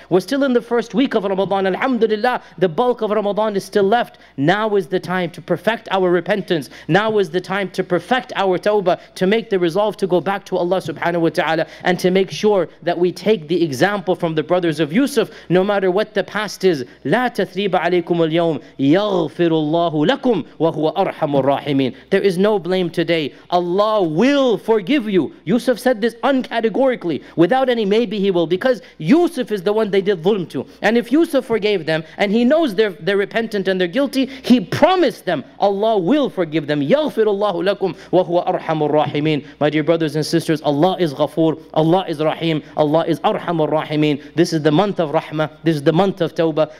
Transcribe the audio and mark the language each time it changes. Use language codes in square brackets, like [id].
[en] We're still in the first week of Ramadan. Alhamdulillah, the bulk of Ramadan is still left. Now is the time to perfect our repentance. Now is the time to perfect our tawbah, to make the resolve to go back to Allah subhanahu wa ta'ala, and to make sure that we take the example from the brothers of Yusuf, no matter what the past is. [ar] تثريب عليكم اليوم يغفر الله لكم وهو أرحم الراحمين. [en] There is no blame today. Allah will forgive you. Yusuf said this uncategorically, without any maybe he will, because Yusuf is the one they did dhulm to. And if Yusuf forgave them and he knows they're repentant and they're guilty, he promised them Allah will forgive them. [ar] يغفر الله لكم وهو أرحم الراحمين. [en] My dear brothers and sisters, Allah is Ghafoor, Allah is Rahim, Allah is أرحم الراحمين. This is the month of Rahmah, this is the month of Tawbah.